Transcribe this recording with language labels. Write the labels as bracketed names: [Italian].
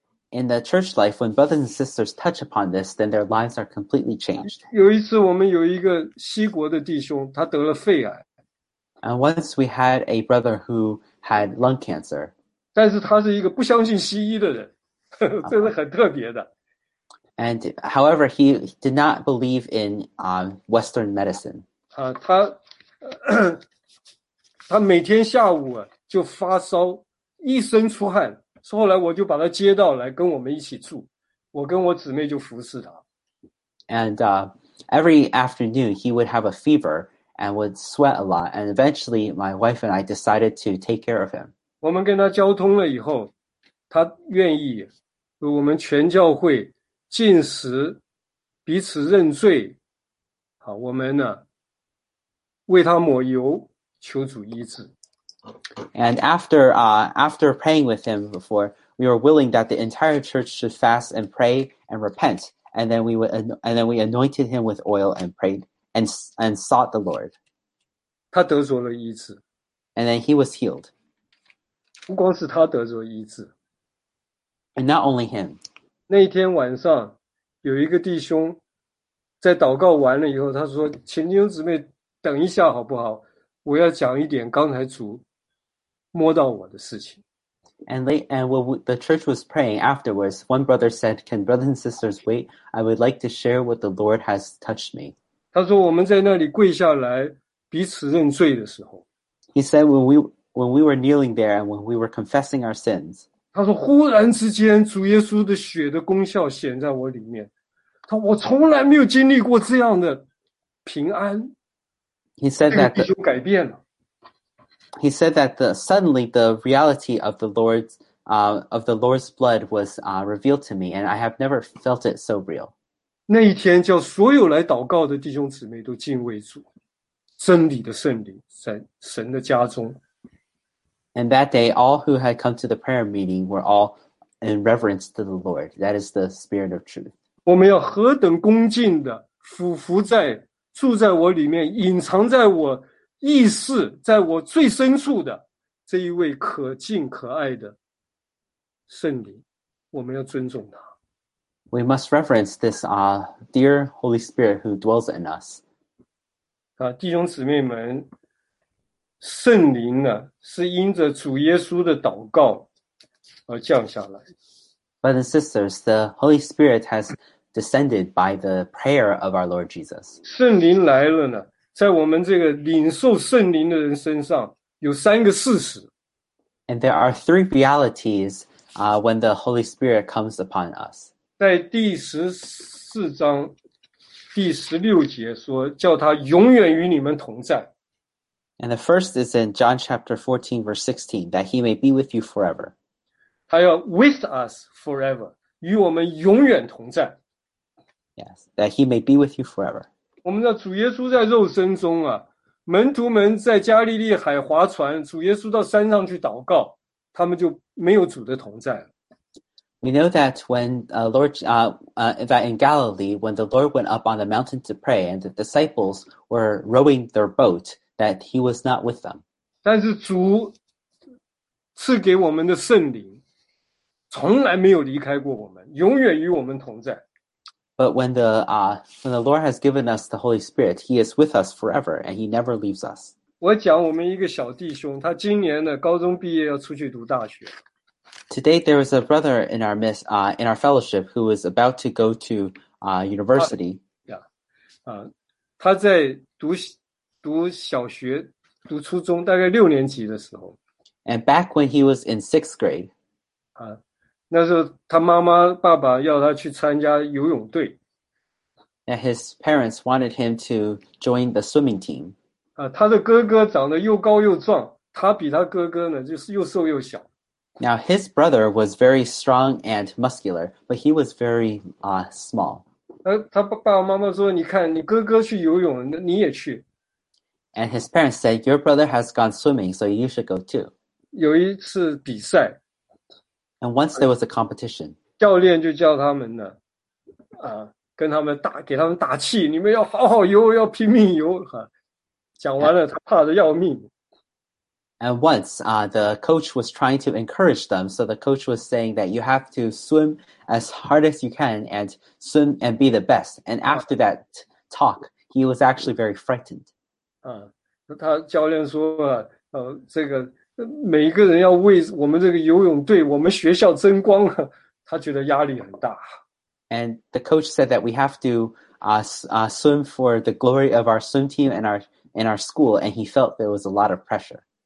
[English] In the church life, when brothers and sisters touch upon this, then their lives are completely changed. [Chinese] 有一次我们有一个西国的弟兄，他得了肺癌。 [English] And once we had a brother who had lung cancer. [Chinese] 但是他是一个不相信西医的人，这是很特别的。 [English] And however, he did not believe in Western medicine. [Chinese] 他每天下午就发烧，一身出汗。所以后来我就把他接到来跟我们一起住，我跟我姊妹就服侍他。 [English] And every afternoon he would have a fever and would sweat a lot. And eventually, my wife and I decided to take care of him. [Chinese] 我们跟他交通了以后，他愿意，我们全教会禁食，彼此认罪。好，我们呢为他抹油，求主医治。 [English] And after praying with him before, we were willing that the entire church should fast and pray and repent, and then we anointed him with oil and prayed and sought the Lord. [Chinese] 他得着了医治。 [English] And then he was healed. [Chinese] 不光是他得着医治。 [English] And not only him. [Chinese] 那天晚上有一个弟兄在祷告完了以后，他说：“请弟兄姊妹等一下好不好？我要讲一点刚才主摸到我的事情。” [English] And when the church was praying afterwards, one brother said, "Can brothers and sisters wait? I would like to share what the Lord has touched me." [Chinese] 他说我们在那里跪下来彼此认罪的时候， [English] He said, when we were kneeling there and when we were confessing our sins, [Chinese] 他说忽然之间主耶稣的血的功效显在我里面，他说我从来没有经历过这样的平安。 [English] He said that the [Chinese] 弟兄改变了。 [English] He said that the suddenly the reality of the Lord's blood was revealed to me, and I have never felt it so real. [Chinese] 那一天叫所有来祷告的弟兄姊妹都敬畏主，真理的圣灵在神的家中。 [English] And that day, all who had come to the prayer meeting were all in reverence to the Lord. That is the spirit of truth. [Chinese] 我们要何等恭敬的俯伏在住在我里面，隐藏在我意识，在我最深处的这一位可敬可爱的圣灵，我们要尊重他。 [English] We must reverence this dear Holy Spirit who dwells in us. [Chinese] 啊，弟兄姊妹们，圣灵呢是因着主耶稣的祷告而降下来。 [English] Brothers and sisters, the Holy Spirit has descended by the prayer of our Lord Jesus. [Chinese] 圣灵来了呢，在我们这个领受圣灵的人身上有三个事实。 [English] And there are three realities when the Holy Spirit comes upon us. [Chinese] 在第十四章第十六节说，叫他永远与你们同在。 [English] And the first is in John chapter 14, verse 16, that he may be with you forever. [Chinese] 他要 [English] with us forever, [Chinese] 与我们永远同在。 [English] Yes, that he may be with you forever. [Chinese] 我们知道主耶稣在肉身中啊，门徒们在加利利海划船，主耶稣到山上去祷告，他们就没有主的同在了。 [English] We know that when that in Galilee, when the Lord went up on the mountain to pray, and the disciples were rowing their boat, that he was not with them. [Chinese] 但是主赐给我们的圣灵，从来没有离开过我们，永远与我们同在。 [English] But when the Lord has given us the Holy Spirit, He is with us forever, and He never leaves us. [Chinese] 我讲我们一个小弟兄，他今年呢高中毕业要出去读大学。 [English] Today there is a brother in our midst, in our fellowship, who is about to go to university. [Chinese] 他在读小学、读初中，大概六年级的时候。 [English] And back when he was in sixth grade. [Chinese] 那时候他妈妈爸爸要他去参加游泳队。 [English] And his parents wanted him to join the swimming team. [Chinese] 他的哥哥长得又高又壮，他比他哥哥呢就是又瘦又小。 [English] Now his brother was very strong and muscular, but he was very small. [Chinese] 他爸爸妈妈说，你看你哥哥去游泳，你也去。 [English] And his parents said, your brother has gone swimming, so you should go too. [Chinese] 有一次比赛。 [English] And once there was a competition, [Chinese] 教练就叫他们呢，跟他们打，给他们打气，你们要好好游，要拼命游。讲完了，他怕得要命。 [English] And once, the coach was trying to encourage them. So the coach was saying that you have to swim as hard as you can and swim and be the best. And after that talk, he was actually very frightened. [Chinese] 他教练说，这个。每一个人要为我们这个游泳队，我们学校争光，他觉得压力很大。 [English] And the coach said that we have to swim for the glory of our swim team and our school, and he felt there was a lot of pressure.